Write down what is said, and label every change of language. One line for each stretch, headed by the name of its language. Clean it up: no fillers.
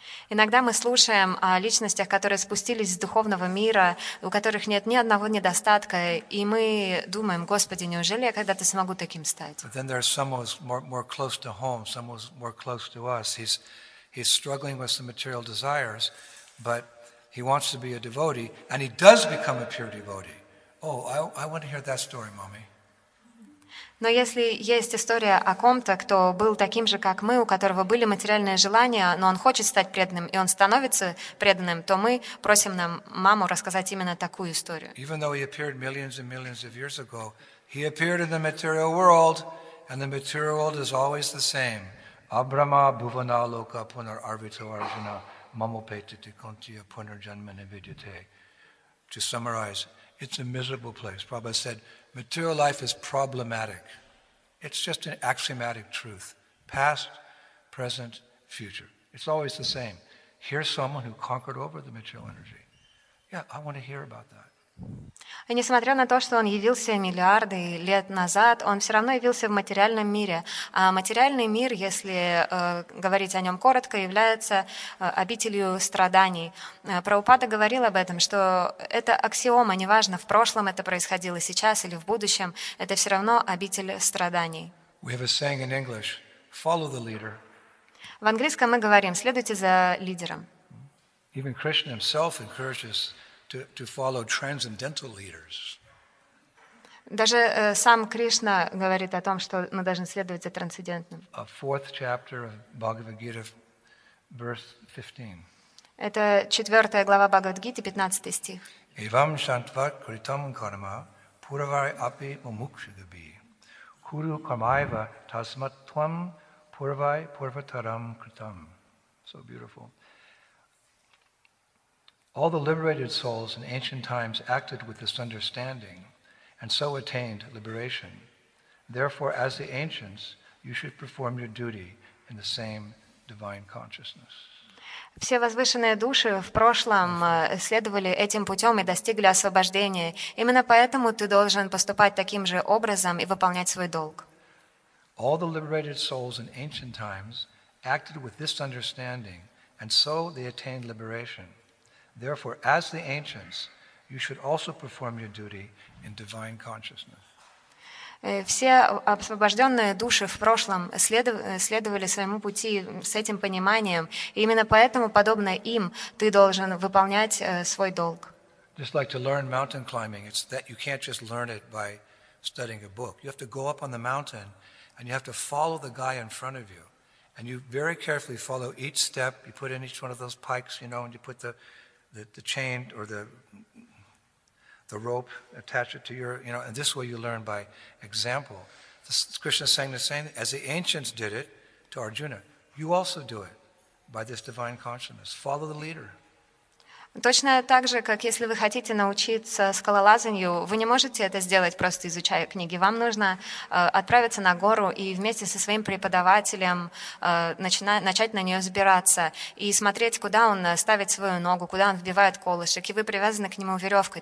Russian: Иногда мы слушаем о личностях, которые спустились с духовного мира, у которых нет ни одного недостатка, и мы думаем: «Господи, неужели я когда-то смогу таким стать?»
English: But then there's someone who's more close to home, someone who's more close to us. He's struggling with some material desires, but he wants to be a devotee, and he does become a pure devotee. Oh, I want to hear that story, mommy. Но если есть история о ком-то, кто был таким же, как мы, у которого были материальные желания, но он хочет стать преданным, и он становится преданным, то мы просим нам маму рассказать именно такую историю. Even though he appeared millions and millions of years ago, he appeared in the material world, and the material world is always the same.
Sanskrit: Абрама бувана лока пунар арвита варжана мамопейте тиконтия пунар джанмане видите.
English: To summarize, it's a miserable place. Prabhupada said, material life is problematic. It's just an axiomatic truth. Past, present, future. It's always the same. Here's someone who conquered over the material energy. Yeah, I want to hear about that.
Russian: И несмотря на то, что он явился миллиарды лет назад, он все равно явился в материальном мире. А материальный мир, если говорить о нем коротко, является обителью страданий. Прабхупада говорил об этом, что это аксиома, неважно, в прошлом это происходило, сейчас или в будущем, это все равно обитель страданий.
English: We have a saying in English: follow the leader.
Russian: В английском мы говорим: следуйте за лидером.
English: Even Krishna himself encourages to follow transcendental leaders.
Russian: Даже сам Кришна говорит о том, что мы должны следовать за трансцендентным.
English: A fourth chapter of Bhagavad Gita, verse 15.
Russian: Это 4 глава Бхагавад-гиты, 15 стих.
Sanskrit: Evam shantva kritam karma puravai api mumukshadabhi kuru karmaiva tasmat tvam puravai purvataram kritam.
English: So beautiful. All the liberated souls in ancient times acted with this understanding and so attained liberation. Therefore, as the ancients, you should perform your duty in the same divine consciousness.
Russian: Все возвышенные души в прошлом следовали этим путем и достигли освобождения. Именно поэтому ты должен поступать таким же образом и выполнять свой долг.
English: All the liberated souls in ancient times acted with this understanding and so they attained liberation. Therefore, as the ancients, you should also perform your duty in divine consciousness.
Russian: Все освобожденные души в прошлом следовали своему пути с этим пониманием, и именно поэтому, подобно им, ты должен выполнять свой долг.
English: Just like to learn mountain climbing, it's that you can't just learn it by studying a book. You have to go up on the mountain, and you have to follow the guy in front of you, and you very carefully follow each step. You put in each one of those pikes, you know, and you put the chain or the rope, attach it to your, you know, and this way you learn by example. This Krishna is saying the same as the ancients did it to Arjuna. You also do it by this divine consciousness. Follow the leader.
Russian: Точно так же, как если вы хотите научиться скалолазанию, вы не можете это сделать, просто изучая книги. Вам нужно отправиться на гору и вместе со своим преподавателем начать на нее взбираться и смотреть, куда он ставит свою ногу, куда он вбивает колышек, и вы привязаны к нему веревкой.